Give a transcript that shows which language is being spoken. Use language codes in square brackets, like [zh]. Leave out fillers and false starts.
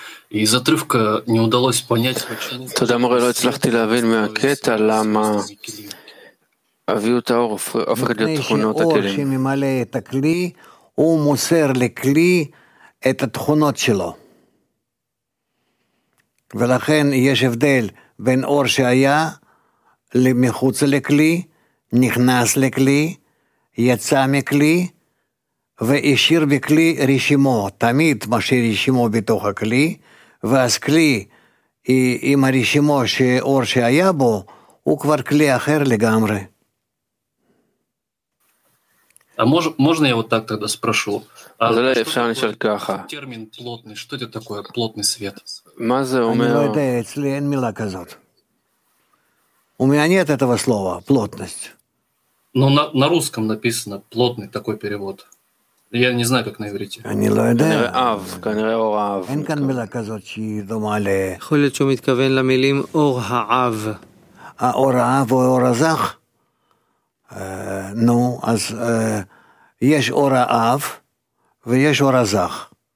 [ru] Из отрывка не удалось понять, тогда мы говорили, что [he] להבין מהקטע למה אביו תאור הופך להיות תכונות הכלים. מפני שאור שממלא את הכלי, הוא מוסר לכלי את התכונות שלו. ולכן יש הבדל בין אור שהיה מחוץ לכלי, נכנס לכלי, יצא מכלי, והשאיר בכלי רשימו, תמיד משאיר רשימו בתוך הכלי, ואז כלי עם הרשימו שאור שהיה בו, הוא כבר כלי אחר לגמרי. [ru] Можно я вот так тогда спрошу? [he] אפשר לשאול ככה. [ru] Термин плотный, что это такое плотный свет? [he] מה זה אומר? אני לא יודע, אצלי אין מילה כזאת. [ru] У меня нет этого слова, плотность. Но на русском написано плотный такой перевод. Я не знаю, как на иврите. [he] אני לא יודע. כנראה אור העב. אין כאן מילה כזאת שהיא דומה ל... יכול להיות שהוא מתכוון למילים אור העב. האור העב או אור הזך? נו, אז יש אור האב ויש אור הזך.